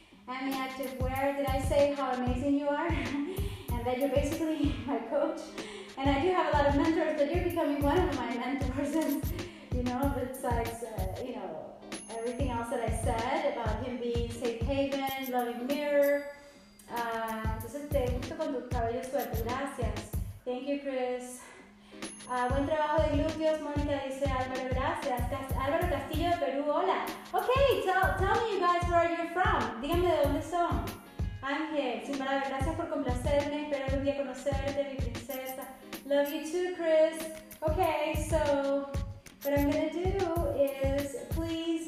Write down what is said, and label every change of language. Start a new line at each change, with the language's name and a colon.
English: Emmy Active Wear, did I say how amazing you are? And that you're basically my coach. And I do have a lot of mentors, but you're becoming one of my mentors. And, you know, besides, you know, everything else that I said about him being safe haven, loving mirror.
Spanish: Entonces te gusto con tu cabello suelto, gracias.
English: Thank you, Chris.
Spanish: Buen trabajo de glúteos, Mónica dice Álvaro, gracias. Álvaro Castillo de Perú, hola.
English: Okay, tell me you guys where you're from.
Spanish: Díganme de dónde son. Ángel, sin palabras, gracias por complacerme. Espero algún día conocerte, mi princesa.
English: Love you too, Chris. Okay, so what I'm gonna do is please.